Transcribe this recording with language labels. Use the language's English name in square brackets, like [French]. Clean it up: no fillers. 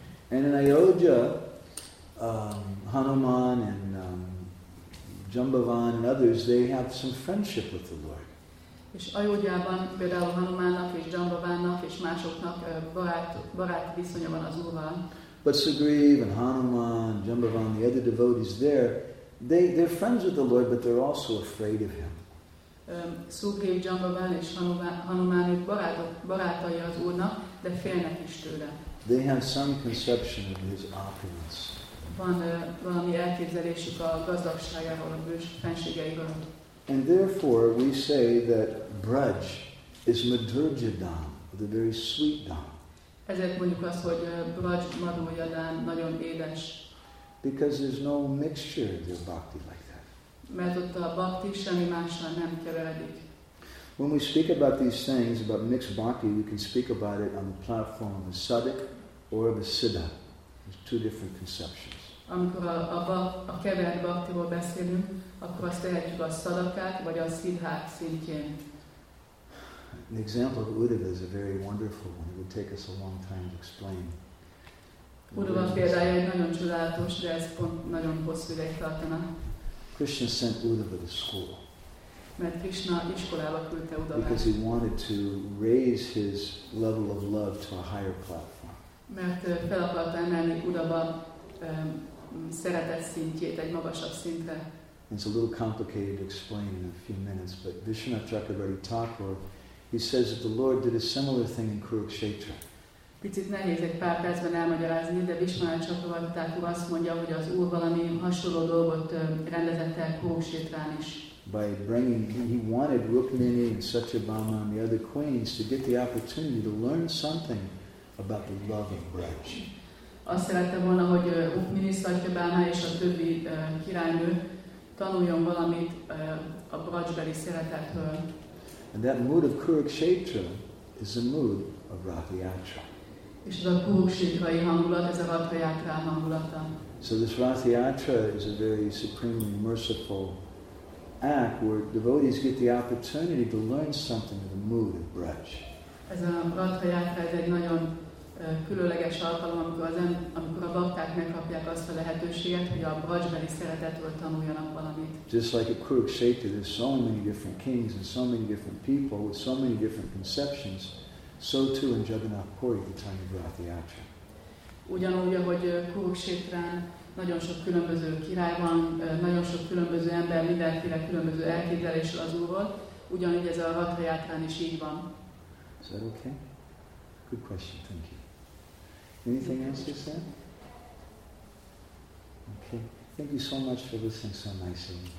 [English] And in Ayodhya, Hanuman and Jambavan and others, they have some friendship with the Lord. [Hungarian] És Ayodhyában például Hanumánnak és Jambavánnak és másoknak baráti viszonya van az Úrral. [English] But Sugriva and Hanuman, Jambavan, the other devotees there, they're friends with the Lord, but they're also afraid of him. [Hungarian] Sugriva, Jambavan és Hanuman ők barátai az Úrnak, de félnek is tőle. [English] They have some conception of his opulence. [Hungarian] Van valami elképzelésük a gazdagságáról, a fenségeiről. [English] And therefore, we say that Braj is Madhurya Dham, the very sweet Dham. [Hungarian] Ezért mondjuk azt, hogy Braj Madhurya Dham nagyon édes. [English] Because there's no mixture of their bhakti like that. [Hungarian] Mert ott a bhakti semmi mással nem keveredik. [English] When we speak about these things, about mixed bhakti, we can speak about it on the platform of a sadhak or of a siddha. There's two different conceptions. [Hungarian] Amikor a kevert bhaktiról beszélünk, akkor azt tehetjük a szadakát, vagy a szidhák szintjén. [English] An example of Uddhava is a very wonderful one. It would take us a long time to explain. [Hungarian] Uddhava példája egy nagyon csodálatos, de ez pont nagyon hosszú ideig tartana. [English] Krishna sent Uddhava to school. [Hungarian] Mert Krishna iskolába küldte Uddhavát. [English] Because he wanted to raise his level of love to a higher platform. [Hungarian] Mert fel akarta emelni Uddhava szeretet szintjét egy magasabb szintre. [English] It's a little complicated to explain in a few minutes, but Vishwanatha Chakravarti Thakur, he says that the Lord did a similar thing in Kurukshetra. [Hungarian] Picit nehéz egy pár percben elmagyarázni, de Vishwanatha Chakravarti Thakur azt mondja, hogy az Úr valami hasonló dolgot rendezett el Kurukshetrán is. [English] By bringing, he wanted Rukmini and Satyabhama and the other queens to get the opportunity to learn something about the love of Braj. [Hungarian] Azt szerette volna, hogy Rukmini, Satyabhama és a többi királynő tanuljon valamit a Brajbeli szeretetről. [English] And that mood of Kurukshetra is a mood of Rathyatra. [Hungarian] És ez a Kurukshetrai hangulat, ez a Rathyatra hangulata. [English] So this Rathyatra is a very supremely merciful act where devotees get the opportunity to learn something of the mood of Braj. [Hungarian] Ez a Rathyatra, ez egy nagyon különleges alkalom, amikor a bakták megkapják azt a lehetőséget, hogy a brajzsbeli szeretetről tanuljanak valamit. [English] Just like a Kurukshetra, there's so many different kings and so many different people with so many different conceptions, so too in Jagannath Puri, the time of Rathayatra. [Hungarian] Ugyanúgy, ahogy Kurukshetrán nagyon sok különböző király van, nagyon sok különböző ember, mindenféle különböző elképzelés az úrról, ugyanúgy ez a Rathayatrán is így van. [English] Is that okay? Good question, thank you. Anything else you said? Okay. Thank you so much for listening so nicely.